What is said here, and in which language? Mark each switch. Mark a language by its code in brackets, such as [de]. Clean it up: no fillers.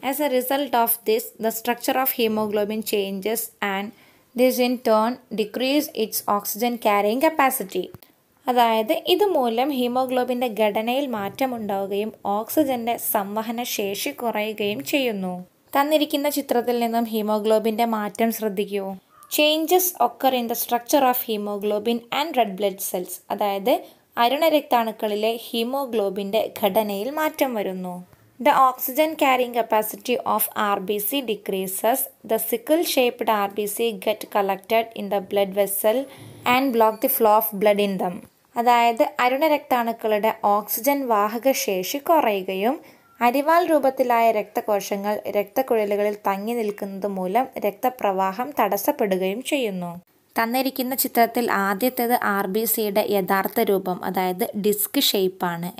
[en] As a result of this the structure of haemoglobin changes and This in turn decreases its oxygen carrying capacity. [ml] അതായത് ഇതുമൂലം ഹീമോഗ്ലോബിൻ്റെ ഘടനയിൽ മാറ്റമുണ്ടാവുകയും ഓക്സിജൻ്റെ സംവഹന ശേഷി കുറയുകയും ചെയ്യുന്നു. തന്നിരിക്കുന്ന ചിത്രത്തിൽ നിന്നും ഹീമോഗ്ലോബിൻ്റെ മാറ്റം ശ്രദ്ധിക്കൂ. [en] Changes occur in the structure of hemoglobin and red blood cells. [ml] അതായത് അരുണരക്താണുക്കളിലെ ഹീമോഗ്ലോബിൻ്റെ ഘടനയിൽ മാറ്റം വരുന്നു. [en] The oxygen carrying capacity of RBC decreases. The sickle-shaped RBC get collected in the blood vessel and block the flow of blood in them. [ml] അതായത് അരുണരക്താണുക്കളുടെ oxygen വാഹകശേഷി കുറയുകയും അരിവാൽ രൂപത്തിലായ രക്തകോശങ്ങൾ രക്തക്കുഴലുകളിൽ തങ്ങി നിൽക്കുന്നത് മൂലം രക്തപ്രവാഹം തടസ്സപ്പെടുകയും ചെയ്യുന്നു. തന്നിരിക്കുന്ന ചിത്രത്തിൽ ആദ്യത്തേത് RBCയുടെ യഥാർത്ഥ രൂപം അതായത് ഡിസ്ക് ഷേപ്പാണ്.